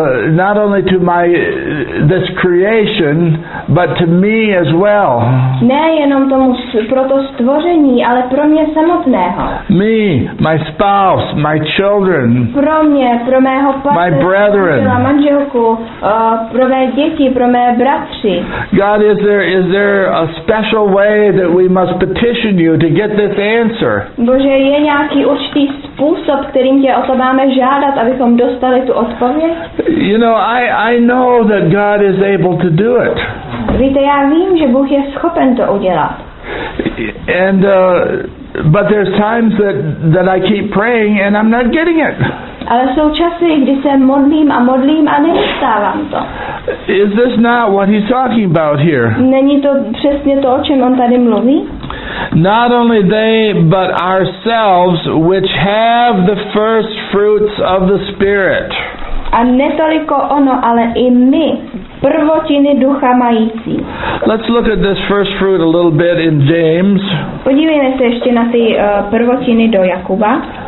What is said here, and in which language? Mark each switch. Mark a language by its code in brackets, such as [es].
[en] Not only to my this creation, but to me as well. [cs] Ne jenom tomu pro to stvoření, ale pro mě samotného. [en] Me, my spouse, my children. [cs] Pro mě, pro mého partnera. [en] My brethren. [cs] Pro manželku, pro mé děti, pro mé bratři. [en] God, is there a special way that we must petition you to get this answer? [cs] Bože, je nějaký určitý způsob, kterým tě o to máme žádat, abychom dostali tu odpověď? [en] You know, I know that God is able to do it. [cs] Víte, já vím, že Bůh je schopen to udělat. [en] And But there's times that I keep praying and I'm not getting it. [cs] Ale jsou časy, kdy se modlím a nedostávám to. [en] Is this not what he's talking about here? [cs] Není to přesně to, o čem on tady mluví? [en] Not only they, but ourselves, which have the first fruits of the Spirit. [cs] A ne toliko ono, ale i my, prvotiny ducha mající. [en] Let's look at this first fruit a little bit in James. [cs] Podívejme se ještě na ty prvotiny do Jakuba.